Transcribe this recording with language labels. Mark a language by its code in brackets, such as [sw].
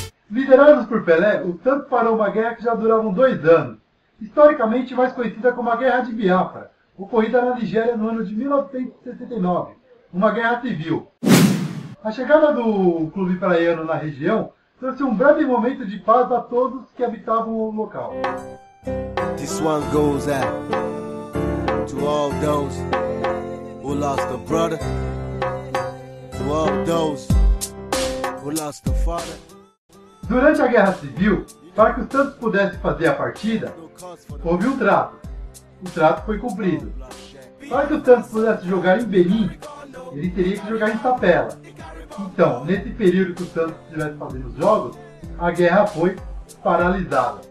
[pt] Liderados por Pelé, o Santos parou uma guerra que já durava 2 anos, historicamente mais conhecida como a Guerra de Biafra, ocorrida na Nigéria no ano de 1969, uma guerra civil. A chegada do clube praiano na região trouxe um breve momento de paz a todos que habitavam o local. [en] This one goes out to all those who lost a brother, to all those who lost a father. [pt] Durante a Guerra Civil, para que o Santos pudesse fazer a partida, houve um trato. O trato foi cumprido. Para que o Santos pudesse jogar em Benin, ele teria que jogar em Tapela. Então, nesse período que o Santos estivesse fazendo os jogos, a guerra foi paralisada.